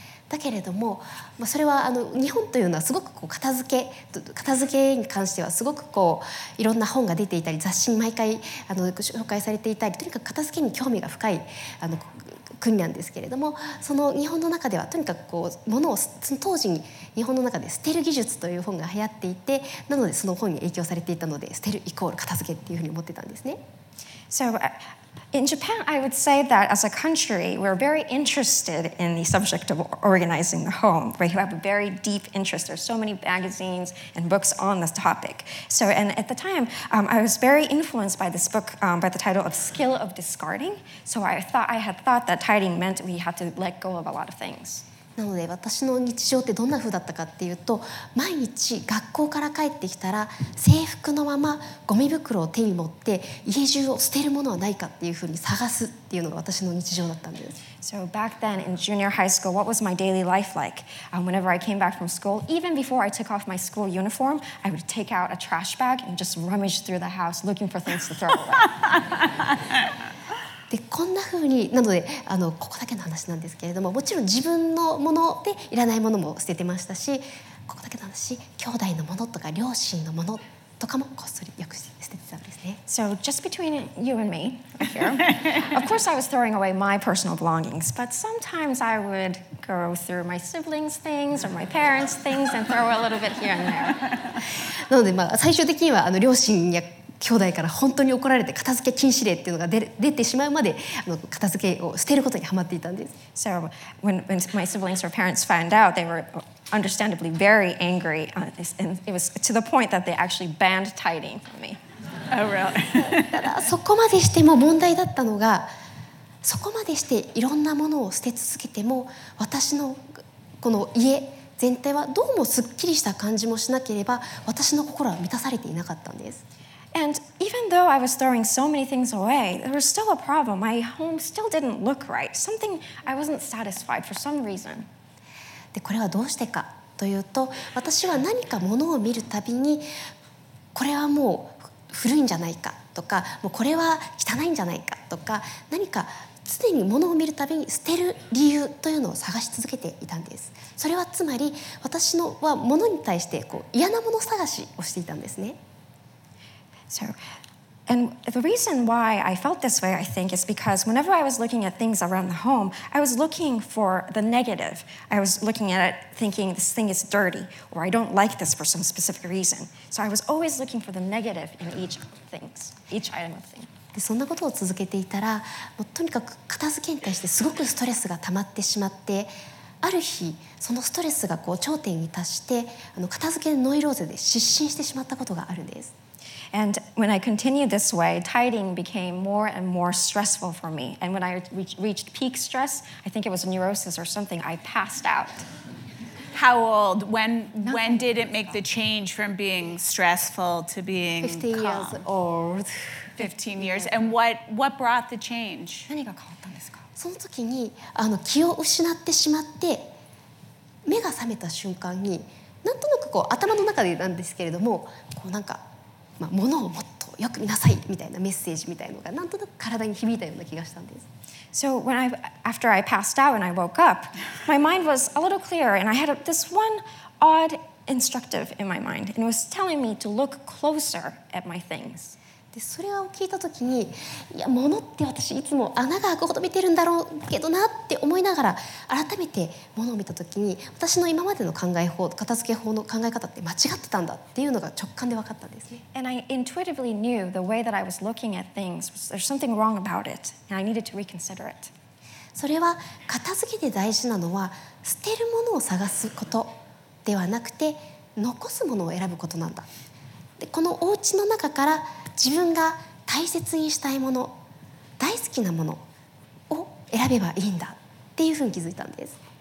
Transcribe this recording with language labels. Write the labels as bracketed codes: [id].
[ja] だけれども、それは日本というのはすごくこう片付けに関してはすごくこういろんな本が出ていたり、雑誌に毎回紹介されていたり、とにかく片付けに興味が深い国なんですけれども、その日本の中ではとにかくこう物をその当時に日本の中で捨てる技術という本が流行っていて、なのでその本に影響されていたので、捨てるイコール片付けっていうふうに思ってたんですね。 [en] So, In Japan, I would say that as a country, we're very interested in the subject of organizing the home. We have a very deep interest. There's so many magazines and books on this topic. So, and at the time, I was very influenced by this book by the title of Skill of Discarding. So I had thought that tidying meant we had to let go of a lot of things. [ja] なので私の日常ってどんな風だったかっていうと、毎日学校から帰ってきたら制服のままゴミ袋を手に持って家中を捨てるものはないかっていう風に探すっていうのが私の日常だったんです。 [en] So back then in junior high school, what was my daily life like? Whenever I came back from school, even before I took off my school uniform, I would take out a trash bag and just rummage through the house looking for things to throw away. [ja] でこんな風になので、ここだけの話なんですけれども、もちろん自分のものでいらないものも捨ててましたし、ここだけの話、兄弟のものとか両親のものとかもこっそりよく捨ててたんですね。 [en] So just between you and me here, of course I was throwing away my personal belongings, but sometimes I would go through my siblings' things or my parents' things and throw a little bit here and there. [ja] なので、最終的には両親や兄弟から本当に怒られて片付け禁止令っていうのが 出てしまうまで片付けを捨てることにハマっていたんです。 [en] So when my siblings or parents found out, they were understandably very angry, and it was to the point that they actually banned tidying from me. Oh, really? [ja] ただそこまでしても問題だったのが、そこまでしていろんなものを捨て続けても私のこの家全体はどうもすっきりした感じもしなければ、私の心は満たされていなかったんです。 [en] And even though I was throwing so many things away, there was still a problem. My home still didn't look right. Something, I wasn't satisfied for some reason. [ja] で、これはどうしてかというと、私は何か物を見るたびに、これはもう古いんじゃないかとか、もうこれは汚いんじゃないかとか、何か常に物を見るたびに捨てる理由というのを探し続けていたんです。それはつまり、私のは物に対してこう嫌なもの探しをしていたんですね。 [en] So, and the reason why I felt this way, I think, is because whenever I was looking at things around the home, I was looking for the negative. I was looking at it thinking this thing is dirty, or I don't like this for some specific reason. So I was always looking for the negative in each item of things. [ja] で、そんなことを続けていたら、もうとにかく片付けに対してすごくストレスが溜まってしまって、ある日、そのストレスがこう頂点に達して、片付けノイローゼで失神してしまったことがあるんです。 [en] And when I continued this way, tidying became more and more stressful for me. And when I reached peak stress, I think it was neurosis or something, I passed out. How old? When did it make the change from being stressful to being 15 calm? 15 years old. 15 years. And what brought the change? [ja] 何が変わったんですか？その時に気を失ってしまって、目が覚めた瞬間に、なんとなくこう頭の中でなんですけれども、こうなんか、物をもっとよく見なさいみたいなメッセージみたいなのがなんとなく体に響いたような気がしたんです。 [en] So when after I passed out and I woke up, my mind was a little clearer and I had this one odd instructive in my mind and it was telling me to look closer at my things. [ja] で、それを聞いた時に、いや物って私いつも穴が開くほど見てるんだろうけどなって思いながら、改めて物を見た時に私の今までの考え方、片付け法の考え方って間違ってたんだっていうのが直感で分かったんですね。 [en] And I intuitively knew the way that I was looking at things, there's something wrong about it, and I needed to reconsider it. [ja] それは片付けで大事なのは捨てるものを探すことではなくて残すものを選ぶことなんだ。で、このお家の中から自分が大切にしたいもの、大好きなものを選べばいいんだっていうふうに気づいたんです。